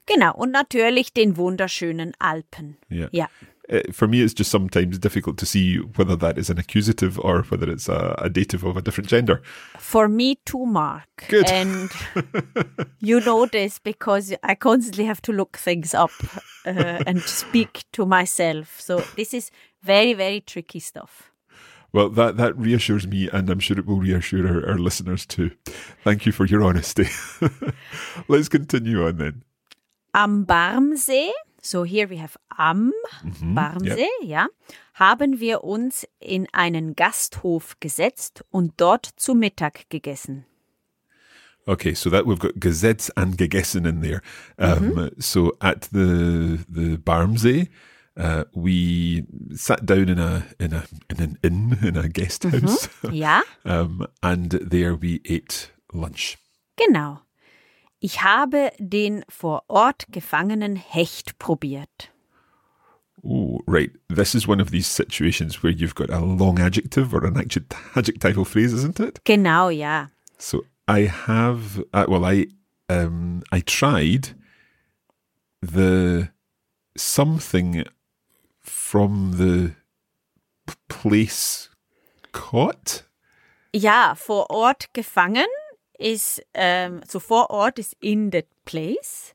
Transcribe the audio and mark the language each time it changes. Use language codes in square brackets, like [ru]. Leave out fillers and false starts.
[de] Genau, und natürlich den wunderschönen Alpen. [en] Yeah. Yeah. For me, it's just sometimes difficult to see whether that is an accusative or whether it's a dative of a different gender. For me too, Mark. Good. And you know this because I constantly have to look things up and speak to myself. So this is very, very tricky stuff. Well, that reassures me, and I'm sure it will reassure our listeners too. Thank you for your honesty. Let's continue on then. [de] Am Barmsee, [en] so here we have [de] am Barmsee, ja, haben wir uns in einen Gasthof gesetzt und dort zu Mittag gegessen. [en] Okay, so that we've got gesetz and gegessen in there. So at the Barmsee, we sat down in a guest house. Yeah. And there we ate lunch. [de] Genau. Ich habe den vor Ort gefangenen Hecht probiert. [en] Oh, right. This is one of these situations where you've got a long adjective or an adjectival phrase, isn't it? [de] Genau, yeah. [en] So I have, I tried the something from the place caught? [de] Ja, vor Ort gefangen ist, so vor Ort ist [en] in the place.